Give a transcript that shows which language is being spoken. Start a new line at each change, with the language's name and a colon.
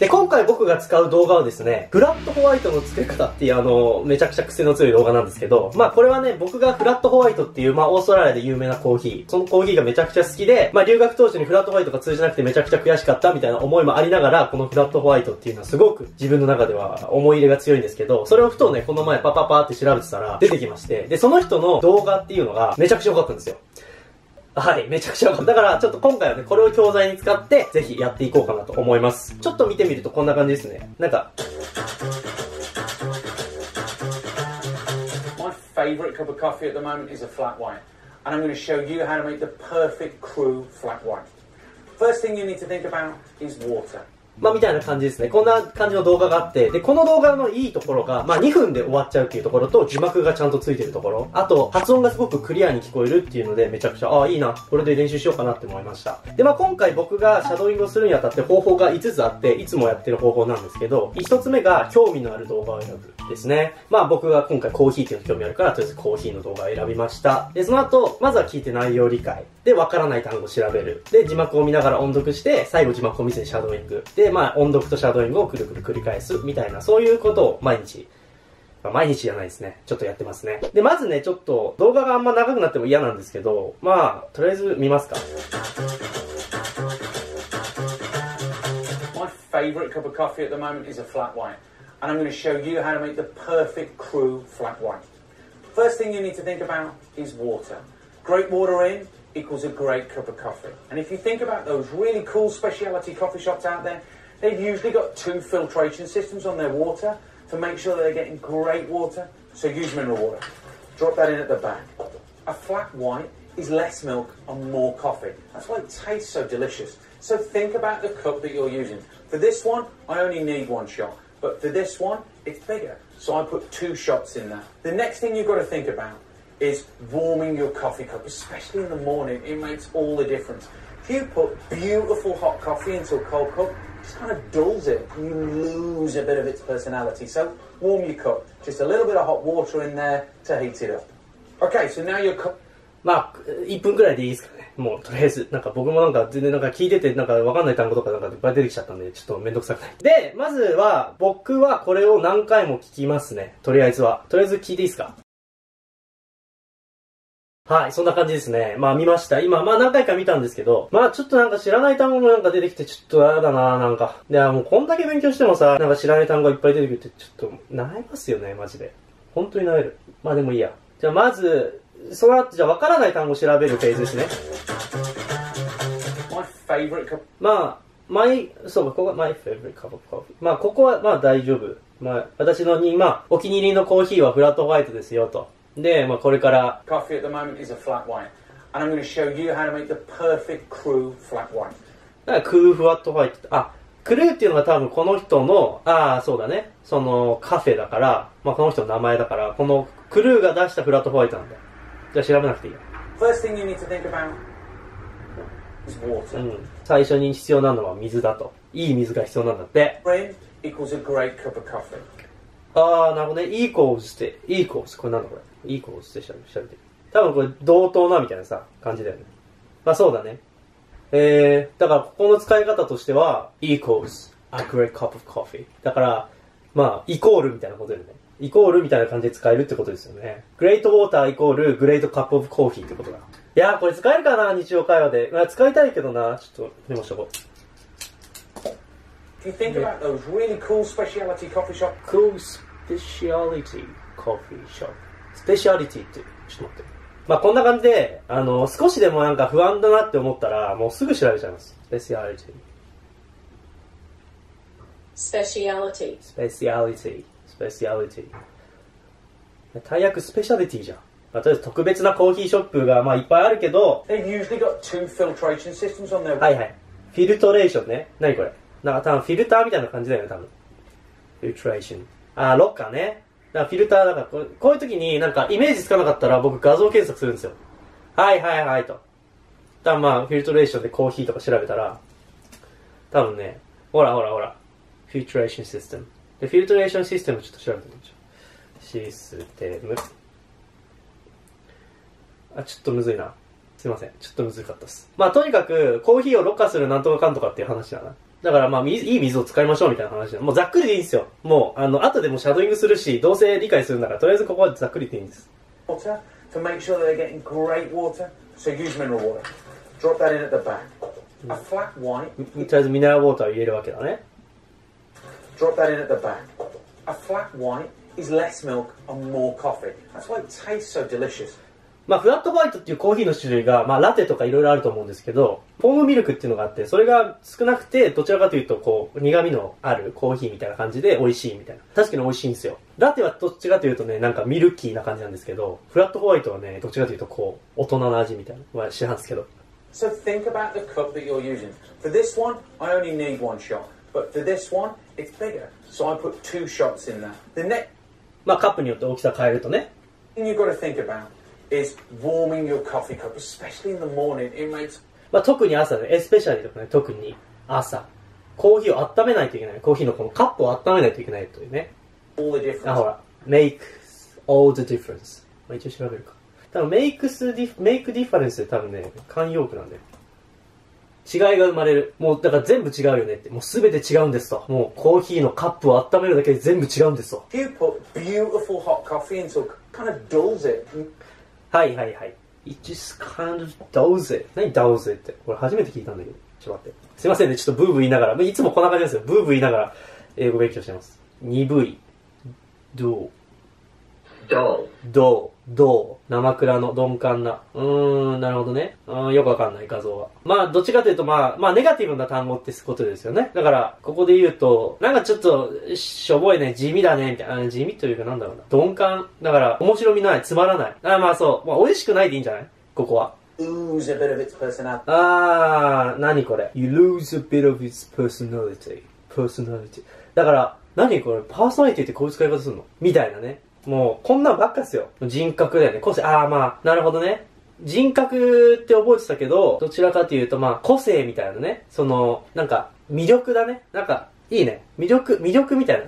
Japanese: で、今回僕が使う動画はですね、フラットホワイトの付け方っていう、めちゃくちゃ癖の強い動画なんですけど、まあ、これはね、僕がフラットホワイトっていう、まあ、オーストラリアで有名なコーヒー。そのコーヒーがめちゃくちゃ好きで、まあ、留学当時にフラットホワイトが通じなくてめちゃくちゃ悔しかったみたいな思いもありながら、このフラットホワイトっていうのはすごく自分の中では思い入れが強いんですけど、それをふとね、この前パパパって調べてたら出てきまして、で、その人の動画っていうのがめちゃくちゃ良かったんですよ。はい、めちゃくちゃ良かった。だから、ちょっと今回はね、これを教材に使って、ぜひやっていこうかなと思います。ちょっと見てみるとこんな感じですね。なんか、
English: favorite cup of coffee at the moment is a flat white, and I'm going to show you how to make the perfect crew flat white. First thing you need to think about is water.
Japanese: まあ、みたいな感じですね。こんな感じの動画があって。で、この動画のいいところが、まあ、2分で終わっちゃうっていうところと、字幕がちゃんとついてるところ。あと、発音がすごくクリアに聞こえるっていうので、めちゃくちゃ、ああ、いいな。これで練習しようかなって思いました。で、まあ、今回僕がシャドーイングをするにあたって方法が5つあって、いつもやってる方法なんですけど、1つ目が、興味のある動画を選ぶですね。まあ、僕が今回コーヒーっていうの興味あるから、とりあえずコーヒーの動画を選びました。で、その後、まずは聞いて内容理解。で、わからない単語を調べる。で、字幕を見ながら音読して、最後字幕を見せてシャドーイング。でまあ音読とシャドーイングをくるくる繰り返すみたいな、そういうことを毎日、まあ、毎日じゃないですね、ちょっとやってますね。でまずね、ちょっと動画があんま長くなっても嫌なんですけど、まあとりあえず見ますか。
English: My favorite cup of coffee at the moment is a flat white, and I'm going to show you how to make the perfect crew flat white. First thing you need to think about is water. Great water inequals a great cup of coffee. And if you think about those really cool specialty coffee shops out there, they've usually got two filtration systems on their water to make sure that they're getting great water. So use mineral water. Drop that in at the back. A flat white is less milk and more coffee. That's why it tastes so delicious. So think about the cup that you're using. For this one, I only need one shot. But for this one, it's bigger. So I put two shots in there. The next thing you've got to think aboutis warming your coffee cup, especially in the morning. It makes all the difference. If you put beautiful hot coffee into a cold cup, it just kind of dulls it. You lose a bit of its personality. So warm your cup. Just a little bit of hot water in there to heat it up. Okay, so now your cup...
Japanese: まあ、1分くらいでいいですかね。もう、とりあえず、なんか僕もなんか全然なんか聞いてて、なんかわかんない単語とかなんかいっぱい出てきちゃったんで、ちょっとめんどくさくない。で、まずは、僕はこれを何回も聞きますね。とりあえずは。とりあえず聞いていいですか? はい、そんな感じですね。まあ見ました。今、まあ何回か見たんですけど、まあちょっとなんか知らない単語もなんか出てきて、ちょっとあれだなぁ、なんか。いや、もうこんだけ勉強してもさ、なんか知らない単語いっぱい出てくるって、ちょっと、慣れますよね、マジで。本当に慣れる。まあでもいいや。じゃあまず、その後、じゃあ分からない単語調べるフェーズですね。
English: My favorite cup.
Japanese: まあ、そうか、ここが
English: my favorite cup of coffee。
Japanese: まあここは、まあ大丈夫。まあ、私のに、まあ、お気に入りのコーヒーはフラットホワイトですよ、と。で、まあ、これから
English: Coffee at the moment is a flat white, and I'm going to show you how to make the perfect crew flat white.
Japanese: だからクルーフワットホワイト、あ、クルーっていうのが多分この人の、あーそうだね、そのカフェだから、まあこの人の名前だから、このクルーが出したフラットホワイトなんだ。じゃあ調べなくていいよ。
English: First thing you need to think about is water.
Japanese: うん、最初に必要なのは水だと。いい水が必要なんだって。
English: Rain equals a great cup of coffee.
Japanese: あーなるほどね。 equals って、 equals これなんだ、これいい子を捨てちゃう、調べてる。多分これ同等なみたいなさ、感じだよね。まあそうだね。だからここの使い方としては、
English: equals a great cup of coffee。
Japanese: だから、まあ、イコールみたいなことよね。イコールみたいな感じで使えるってことですよね。
English: great water
Japanese: イコール
English: great cup of coffee
Japanese: ってことだ。いやーこれ使えるかな、日常会話で。まあ使いたいけどな、ちょっとメモしとこう。
English: If you think about those really cool speciality coffee shop. Cool speciality coffee shop.
Japanese: スペシャリティって、ちょっと待って。まあ、こんな感じで、少しでもなんか不安だなって思ったら、もうすぐ調べちゃいます。スペシャリティ。スペシャリティ。スペシャリティ。スペシャリティ。大役スペシャリティじゃん。まあ、とりあえず特別なコーヒーショップが、まあ、いっぱいあるけど、
English: They've usually got two filtration systems on there.
Japanese: はいはい。フィルトレーションね。何これ。なんか多分フィルターみたいな感じだよね、多分。フィルトレーション。あ、ロッカーね。だからフィルターだから、こういう時になんかイメージつかなかったら僕画像検索するんですよ。はいはいはいと。たぶんまあ、フィルトレーションでコーヒーとか調べたら、多分ね、ほらほらほら。フィルトレーションシステム。で、フィルトレーションシステムちょっと調べてみましょう。システム。あ、ちょっとむずいな。すいません。ちょっとむずかったっす。まあ、とにかく、コーヒーをろ過するなんとかかんとかっていう話だな。だからまあ、いい水を使いましょうみたいな話だ。もうざっくりでいいんですよ。もう、後でもシャドウイングするし、どうせ理解するんだから、とりあえずここはざっくりでいいんです。
English: To make sure they're getting great water, so use mineral water. Drop that in at the back. A flat white.
Japanese: とりあえずミネラルウォーターを入れるわけだね。
English: Drop that in at the back. A flat white is less milk and more coffee. That's why it tastes so delicious.
Japanese: まあ、フラットホワイトっていうコーヒーの種類が、まあ、ラテとかいろいろあると思うんですけど、フォームミルクっていうのがあって、それが少なくて、どちらかというと、こう、苦味のあるコーヒーみたいな感じで美味しいみたいな。確かに美味しいんですよ。ラテはどっちかというとね、なんかミルキーな感じなんですけど、フラットホワイトはね、どっちかというと、こう、大人の味みたいな。まあ、知らんすけど。
English: So think about the cup that you're using. For this one, I only need one shot. But for this one, it's bigger. So I put two shots in there. The next...
Japanese: まあ、カップによって大きさ変えるとね。
English: You gotta think aboutIs warming your coffee cup, especially in the morning. It makes.
Japanese: まあ特に朝ね、especially とかね、特に朝、コーヒーを温めないといけない。コーヒーのこのカップを温めないといけないというね。
English: All the difference.
Japanese: あほら、
English: makes all the difference.
Japanese: まあ一応調べるか。多分
English: makes make difference
Japanese: って多分ね、慣用句なんだよ。違いが生まれる。もうだから全部違うよねって。もうすべて違うんですと。もうコーヒーのカップを温めるだけで全部違うんですと。
English: You put beautiful hot coffee into kind of dulls it.
Japanese: はいはいはい。
English: It just kind of does it.
Japanese: 何
English: does it って。
Japanese: これ初めて聞いたんだけど。ちょっと待って。すいませんね。ちょっとブーブー言いながら。いつもこんな感じですよ。ブーブー言いながら英語勉強してます。鈍い。どう。どう。どう。どう。生クラの鈍感な。なるほどね。よくわかんない画像は。まあ、どっちかというとまあ、ネガティブな単語ってことですよね。だから、ここで言うと、なんかちょっと、しょぼいね。地味だね。みたいな。地味というかなんだろうな。鈍感。だから、面白みない。つまらない。あまあそう。まあ、美味しくないでいいんじゃない? ここは。
English: lose a bit of its personality.
Japanese: なにこれ。
English: you lose a bit of its personality.
Japanese: personality. だから、何これ。パーソナリティってこういう使い方するの?みたいなね。もう、こんなんばっかっすよ。人格だよね。個性。ああ、まあ、なるほどね。人格って覚えてたけど、どちらかというと、まあ、個性みたいなね。その、なんか、魅力だね。なんか、いいね。魅力みたいな。